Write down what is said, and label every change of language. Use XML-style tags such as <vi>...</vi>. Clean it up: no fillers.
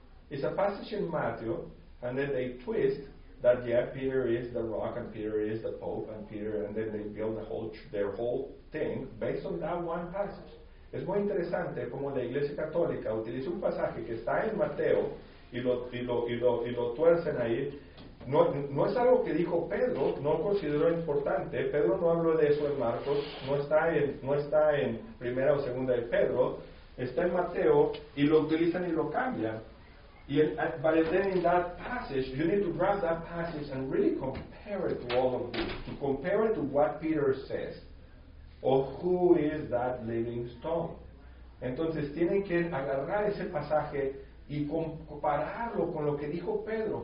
<en>It's a passage in Matthew, and then they twist that, yeah, Peter is the rock, and Peter is the Pope, and Peter, and then they build the whole their whole thing based on that one passage.</en> <es>Es muy interesante como la Iglesia Católica utiliza un pasaje que está en Mateo y lo tuercen ahí. No es algo que dijo Pedro, no lo considero importante. Pedro no habló de eso en Marcos, no está en primera o segunda de Pedro, está en Mateo, y lo utilizan y lo cambian.</es> <en>But then in that passage, you need to grab that passage and really compare it to all of this, to compare it to what Peter says, or who is that living stone.</en> <es>Entonces tienen que agarrar ese pasaje y compararlo con lo que dijo Pedro.</es>